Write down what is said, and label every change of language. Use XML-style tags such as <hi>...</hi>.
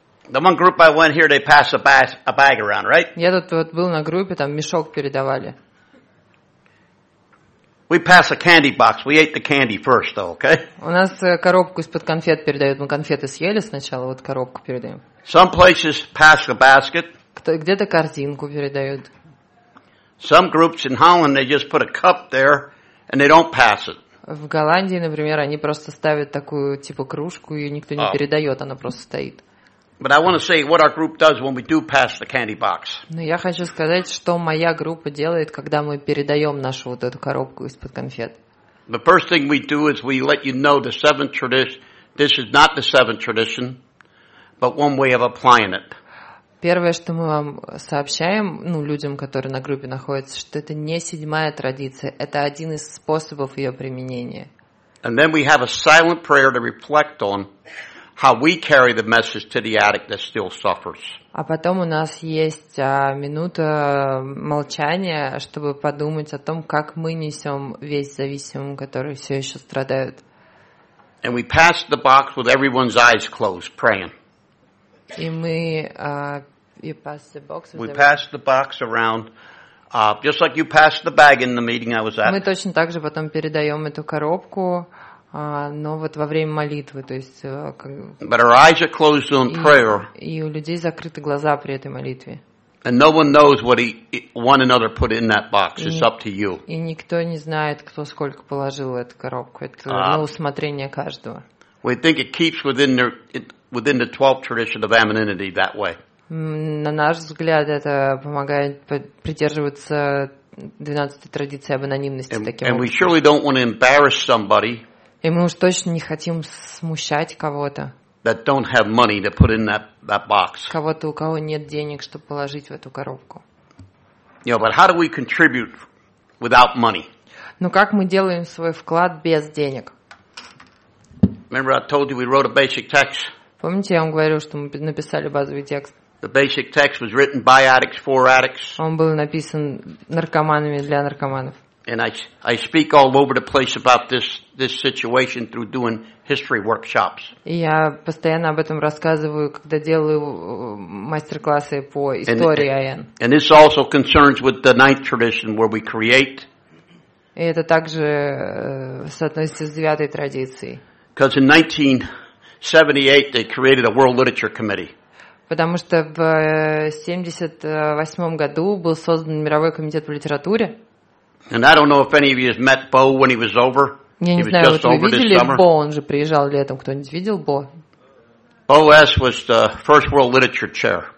<en>The one group I went here, they passed a bag around, right?</en> <ru>Я тут вот был на группе, там мешок передавали.</ru> <en>We pass a candy box, we ate the candy first, though, okay?</en> <ru>У нас коробку из-под конфет передают, мы конфеты съели сначала, вот коробку передаем.</ru> <en>Some places pass a basket.</en> <ru>Где-то корзинку передают.</ru> <en>Some groups in Holland, they just put a cup there, and they don't pass it.</en> <ru>В Голландии, например, они просто ставят такую, типа, кружку, и никто не передает, она просто стоит.</ru> <en>But I want to say what our group does when we do pass the candy box.</en> <ru>Но я хочу сказать, что моя группа делает, когда мы передаем нашу вот эту коробку из-под конфет.</ru> <en>The first thing we do is we let you know the seventh tradition, this is not the seventh tradition, but one way of applying it.</en> <ru>Первое, что мы вам сообщаем, ну, людям, которые на группе находятся, что это не седьмая традиция, это один из способов ее применения.</ru> <en>And then we have a silent prayer to reflect on how we carry the message to the addict that still suffers.</en> <ru>А потом у нас есть минута молчания, чтобы подумать о том, как мы несем весть зависимым, которые все еще страдают.</ru> <en>And we pass the box with everyone's eyes closed, praying.</en> <ru>И мы</ru> <en>you pass the box. We pass the box around, just like you passed the bag in the meeting I was at.</en> <ru>Мы точно так же потом передаем эту коробку, но вот во время молитвы, то есть.</ru> <en>But our eyes are closed on prayer.</en> <ru>И у людей закрыты глаза при этой молитве.</ru> <en>And no one knows what one another put in that box. It's up to you.</en> <ru>И никто не знает, кто сколько положил в эту коробку. Это на усмотрение каждого.</ru> <en>We think it keeps within their. Within the 12th tradition of anonymity that way.</en> <ru>На наш взгляд, это помогает придерживаться 12-й традиции об анонимности таким образом.</ru> <en>And we surely don't want to embarrass somebody.</en> <ru>И мы уж точно не хотим смущать кого-то.</ru> <en>That don't have money to put in that box.</en> <ru>Кого-то, у кого нет денег, чтобы положить в эту коробку.</ru> <en>Yeah, but how do we contribute without money?</en> <ru>Но как мы делаем свой вклад без денег?</ru> <en>Remember I told you we wrote a basic text?</en> <ru>Помните, я вам говорил, что мы написали базовый текст?</ru> <en>The basic text was written by addicts for addicts.</en> <ru>Он был написан наркоманами для наркоманов.</ru> <en>And I speak all over the place about this situation through doing history workshops.</en> <ru>И я постоянно об этом рассказываю, когда делаю мастер-классы по истории АН.</ru> <en>And this also concerns with the ninth tradition where we create.</en> <ru>И это также соотносится с девятой традицией.</ru> <en>Because in 1978 they created a World Literature Committee.</en> <ru>Потому что в 78 году был создан мировой комитет по литературе.</ru> <en>And I don't know if any of you has met Bo when he was over.</en> <ru>Я не знаю, вы видели Бо? Он же приезжал летом. Кто-нибудь видел Бо?</ru> <en>Bo S was the first World Literature Chair.</en>